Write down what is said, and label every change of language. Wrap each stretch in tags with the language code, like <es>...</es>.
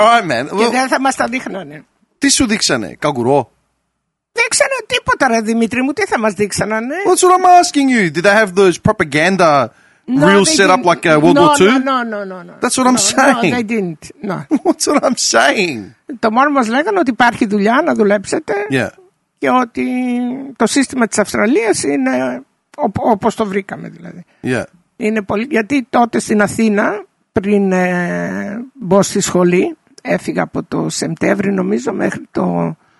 <el>Και δεν θα μας τα δείχνανε. Τι σου δείξανε, καγκουρό? Δείξανε τίποτα, ρε Δημήτρη μου. Τι θα μας δείξανε?</el> <en>That's what I'm asking you. Did they have those propaganda reels set up like World War II? No. That's what I'm saying. No, they didn't. No. That's what I'm saying.</en> <el>Το μόνο μας λέγανε ότι υπάρχει δουλειά να δουλέψετε.</el> <en>Yeah.</en> <el>Και ότι το σύστημα της Αυστραλίας είναι όπως το βρήκαμε, δηλαδή.</el> <en>Yeah.</en> <el>Είναι πολύ. Γιατί τότε στην Αθήνα, πριν μπω στη σχολή, έφυγα από το Σεπτέμβρη, νομίζω, μέχρι το</el>